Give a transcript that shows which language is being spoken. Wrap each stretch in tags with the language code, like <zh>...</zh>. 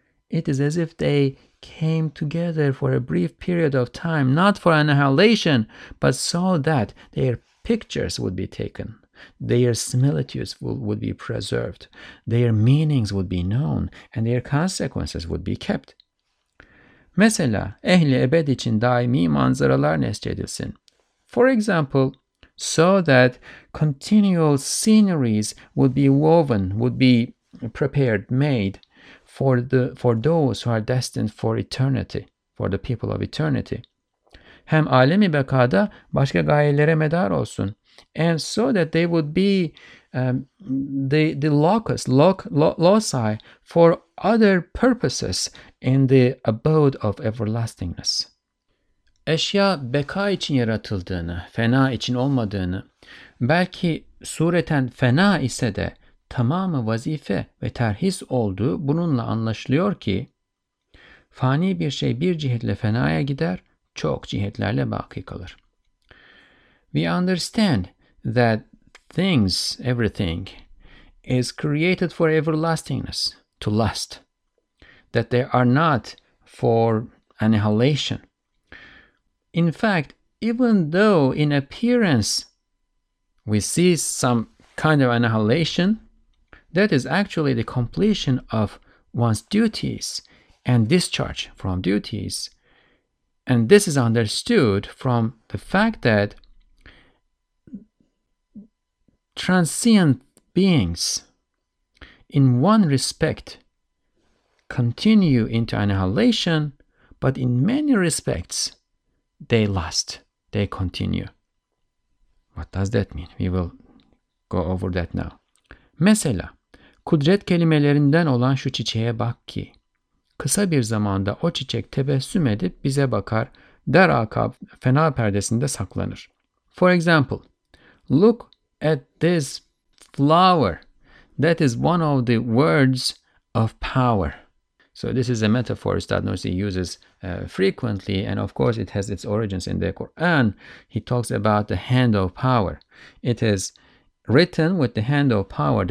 <en>It is as if they came together for a brief period of time, not for annihilation, but so that their pictures would be taken, Their similitudes would be preserved, their meanings would be known, and their consequences would be kept.</en> <tr>Mesela, ehli ebed için daimi manzaralar nesçedilsin.</tr> <en>For example, so that continual sceneries would be woven, would be prepared, made for those who are destined for eternity, for the people of eternity.</en> <tr>Hem alemi bekada başka gayelere medar olsun.</tr> <en>And so that they would be the locus, loci for other purposes in the abode of everlastingness.</en> <tr>Eşya beka için yaratıldığını, fena için olmadığını, belki sureten fena ise de tamamı vazife ve terhis olduğu bununla anlaşılıyor ki, fani bir şey bir cihetle fenaya gider, çok cihetlerle baki kalır.</tr> <en>We understand that things, everything, is created for everlastingness, to last, that they are not for annihilation. In fact, even though in appearance we see some kind of annihilation, that is actually the completion of one's duties and discharge from duties. And this is understood from the fact that transient beings, in one respect, continue into annihilation, but in many respects, they last, they continue. What does that mean? We will go over that now.</en> <tr>Mesela, kudret kelimelerinden olan şu çiçeğe bak ki, kısa bir zamanda o çiçek tebessüm edip bize bakar, deraka fena perdesinde saklanır.</tr> <en>For example, look at this flower. That is one of the words of power. So this is a metaphor Stadnosi uses frequently, and of course it has its origins in the Quran. He talks about the hand of power. It is written with the hand of power.</en>